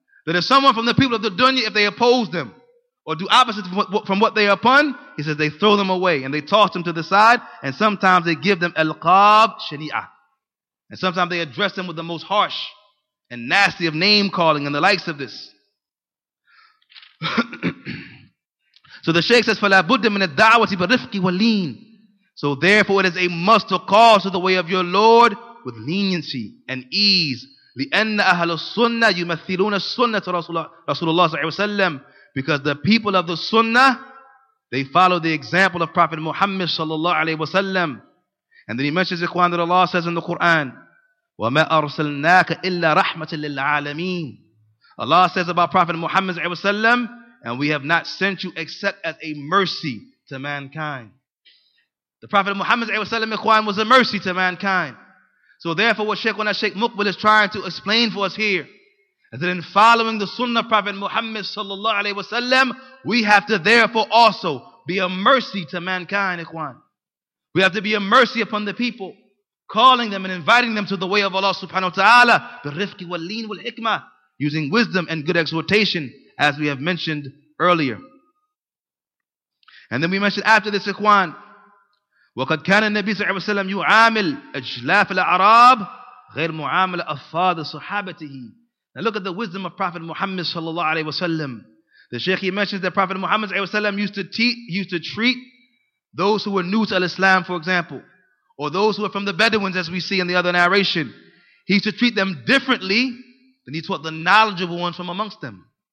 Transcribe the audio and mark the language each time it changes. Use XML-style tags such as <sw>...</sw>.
<en>That if someone from the people of the dunya, if they oppose them or do opposite from what they are upon, he says they throw them away and they toss them to the side, and sometimes they give them alqab shari'ah. And sometimes they address them with the most harsh and nasty of name calling and the likes of this. So the Shaykh says,</en> <ar>فَلَا بُدَّ مِنَ الدَّعْوَةِ بَرِفْقِ وَلِينَ.</ar> <en>So therefore, it is a must to call to the way of your Lord with leniency and ease.</en> <ar>لِأَنَّ أَهَلُ السُّنَّةِ يُمَثِّلُونَ السُّنَّةُ رَسُولُ اللَّهِ صَلَّى اللَّهُ عَلَيْهِ وَسَلَّمُ.</ar> <en>Because the people of the sunnah, they follow the example of Prophet Muhammad sallallahu alayhi wasallam. And then he mentions, ikhwan, that Allah says in the Quran,</en> <ar>وَمَا أَرْسَلْنَاكَ إِلَّا رَحْمَةً لِلْعَالَمِينَ.</ar> <en>Allah says about Prophet Muhammad sallallahu alayhi wasallam, and we have not sent you except as a mercy to mankind. The Prophet Muhammad ﷺ, ikhwan, was a mercy to mankind. So therefore, what Shaykhuna Sheikh Muqbil is trying to explain for us here is that in following the sunnah of Prophet Muhammad sallallahu alayhi wasallam, we have to therefore also be a mercy to mankind, ikhwan. We have to be a mercy upon the people, calling them and inviting them to the way of Allah subhanahu wa ta'ala,</en> <ar>بِالرِّفْقِ وَاللِّينِ وَالْحِكْمَةِ,</ar> <en>using wisdom and good exhortation, as we have mentioned earlier. And then we mentioned after this, ikhwan,</en> <ar>وَقَدْ كَانَ النَّبِي صَلَّى اللَّهُ عَلَيْهِ وَسَلَّمْ يُعَامِلْ أَجْلَافِ الْأَعْرَابِ غَيْرْ مُعَامِلَ أَفَّادِ صُحَابَتِهِ.</ar> <en>Now look at the wisdom of Prophet Muhammad sallallahu alayhi wasallam. The Shaykh, he mentions that Prophet Muhammad sallallahu alayhi wasallam used to treat those who were new to Islam, for example, or those who were from the Bedouins, as we see in the other narration. He used to treat them differently than he taught the knowledgeable ones from amongst them.</en>